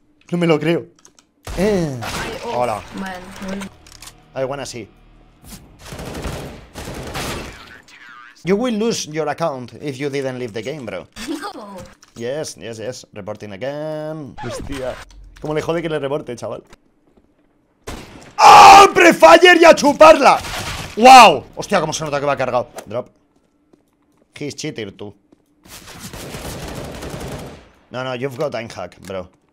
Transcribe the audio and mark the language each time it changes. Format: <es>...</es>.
<es>No me lo creo. Hola.</es> <en>Man. I wanna see. You will lose your account if you didn't leave the game, bro. No. Yes. Reporting again. Hostia.</en> <es>¿Cómo le jode que le reporte, chaval? ¡Ah! ¡Prefire y a chuparla! ¡Wow! Hostia, cómo se nota que va cargado.</es> <en>Drop. He's cheater,</en> <es>tú.</es> <en>No, you've got time hack, bro.</en>